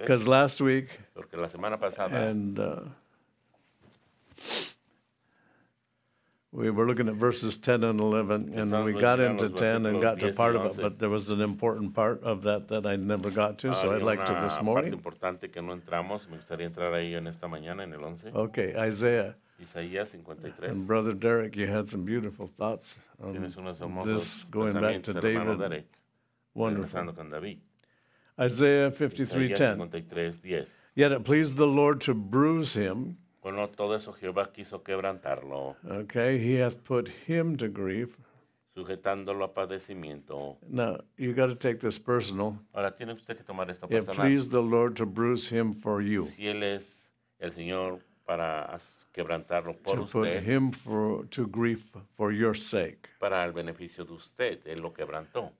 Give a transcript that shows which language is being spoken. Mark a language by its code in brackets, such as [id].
[en] Because last week [es] porque la semana pasada, [en] and we were looking at verses 10 and 11, and we got into 10 and got to part of it, but there was an important part of that that I never got to, so I'd like to this morning. [es] Parte importante que no entramos. Me gustaría entrar ahí en esta mañana, en el 11. [en] Okay, Isaiah. [es] Isaías 53. [en] And Brother Derek, you had some beautiful thoughts on this going back to David. Wonderful. Isaiah 53:10. Yet it pleased the Lord to bruise him. [es] Bueno, todo eso Jehová quiso quebrantarlo. [en] Okay, he has put him to grief. [es] Sujetándolo a padecimiento. [en] Now, you got to take this personal. [es] Ahora tiene usted que tomar esto [en] it [es] personal. [en] It pleased the Lord to bruise him for you. [es] Si él es el Señor para quebrantarlo por [en] to [es] usted. [en] To put him for, to grief for your sake. [es] Para el beneficio de usted, él lo quebrantó.